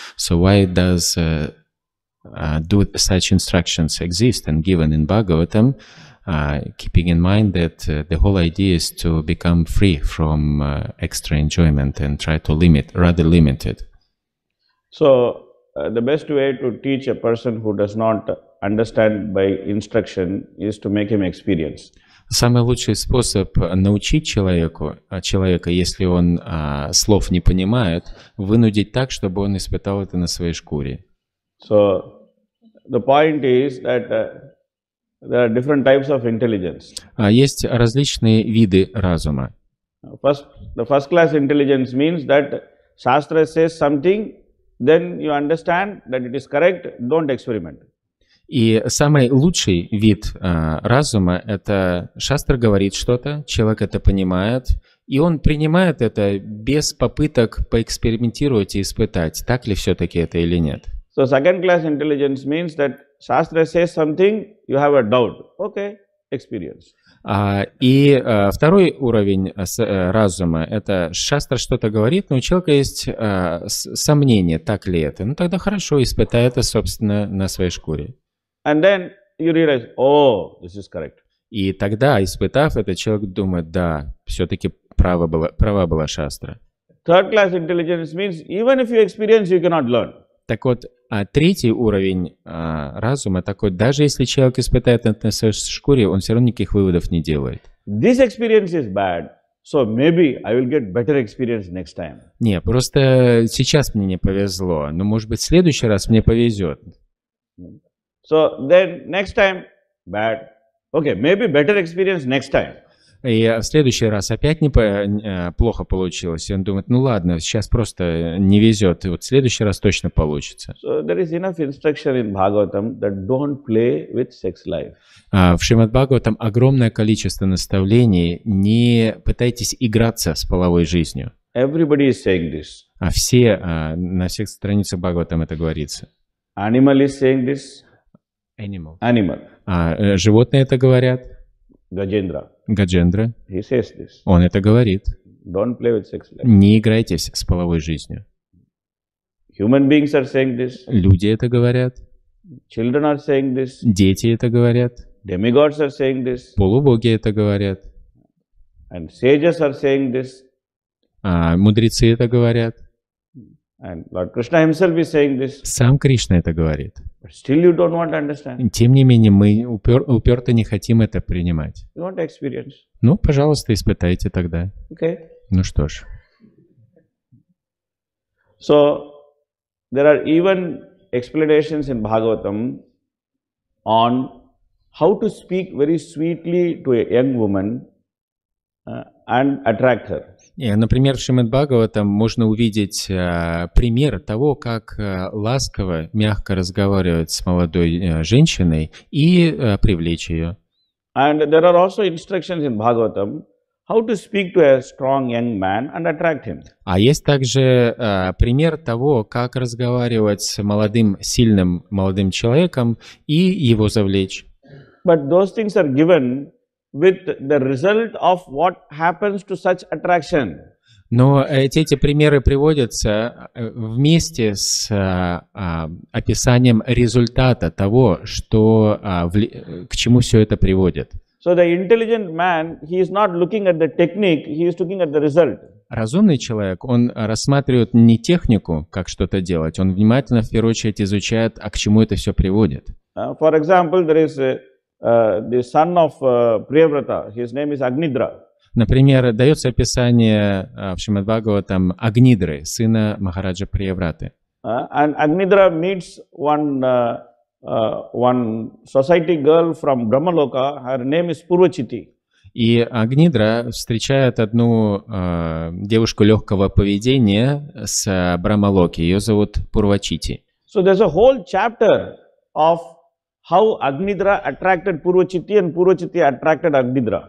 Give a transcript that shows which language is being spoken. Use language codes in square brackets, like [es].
[en] So why does do such instructions exist and given in Bhagavatam, keeping in mind that the whole idea is to become free from extra enjoyment and try to limit it. So, the best way to teach a person who does not understand by instruction is to make him experience. [ru] Самый лучший способ научить человека, если он слов не понимает, вынудить так, чтобы он испытал это на своей шкуре. [en] So, the point is that there are different types of intelligence. [ru] Есть различные виды разума. [en] The first class intelligence means that Shastra says something, then you understand that it is correct, don't experiment. [ru] И самый лучший вид разума – это Шастра говорит что-то, человек это понимает, и он принимает это без попыток поэкспериментировать и испытать, так ли все-таки это или нет. [en] So second class intelligence means that Shastra says something, you have a doubt. Okay, experience. [ru] Второй уровень разума – это Шастра что-то говорит, но у человека есть сомнение, так ли это. Ну тогда хорошо, испытай это, собственно, на своей шкуре. [en] And then you realize, oh, this is correct. [ru] И тогда, испытав это, человек думает, да, все-таки права была Шастра. [en] Third class intelligence means even if you experience, you cannot learn. [ru] Так вот, третий уровень разума такой, даже если человек испытает это на своей шкуре, он все равно никаких выводов не делает. [en] This experience is bad, so maybe I will get better experience next time. [ru] Не, просто сейчас мне не повезло, но может быть в следующий раз мне повезет. [en] So then next time bad. Okay, maybe better experience next time. [ru] И в следующий раз опять плохо получилось. И он думает, ну ладно, сейчас просто не везет. И вот в следующий раз точно получится. [en] So there is enough instruction in Bhagavatam that don't play with sex life. [ru] В Шримад Бхагаватам огромное количество наставлений. Не пытайтесь играться с половой жизнью. [en] Everybody is saying this. [ru] На всех страницах Бхагаватам это говорится. [en] Animal is saying this. Animal. Animal. [ru] Животные это говорят. [en] Гаджендра. He says this. [ru] Он это говорит. [en] Don't play with sex life. [ru] Не играйтесь с половой жизнью. [en] Human beings are saying this. [ru] Люди это говорят. [en] Children are saying this. [ru] Дети это говорят. [en] Demigods are saying this. [ru] Полубоги это говорят. [en] And sages are saying this. [ru] Мудрецы это говорят. [en] And Lord Krishna himself is saying this. [ru] Сам Кришна это говорит. [en] But still you don't want to understand. [ru] Тем не менее, мы уперто не хотим это принимать. [en] You want to experience. [ru] Ну, пожалуйста, испытайте тогда. [en] Okay. [ru] Ну что ж. [en] So, there are even explanations in Bhagavatam on how to speak very sweetly to a young woman and attract her. [ru] Например, в Шримад Бхагаватам можно увидеть пример того, как ласково, мягко разговаривать с молодой женщиной и привлечь ее. [en] And there are also instructions in Bhagavatam how to speak to a strong young man and attract him. [ru] А есть также пример того, как разговаривать с молодым, сильным молодым человеком и его завлечь. [en] But those things are given with the result of what happens to such attraction. [ru] Но эти примеры приводятся вместе с описанием результата того, что, к чему все это приводит. [en] So the intelligent man, he is not looking at the technique, he is looking at the result. [ru] Разумный человек, он рассматривает не технику, как что-то делать, он внимательно, в первую очередь, изучает, а к чему это все приводит. [en] For example, there is the son of Priyavrata, his name is Agnidra. [ru] Например, дается описание в Шримад-Бхагаватам Агнидры, сына Махараджа Приевраты. [en] And Agnidra meets one society girl from Brahmaloka, her name is Purvachiti. [ru] И Агнидра встречает одну девушку легкого поведения с Брамалоки. Ее зовут Пурвачити. [en] So there's a whole chapter of how Agnidra attracted Purvachiti and Purvachiti attracted Agnidra.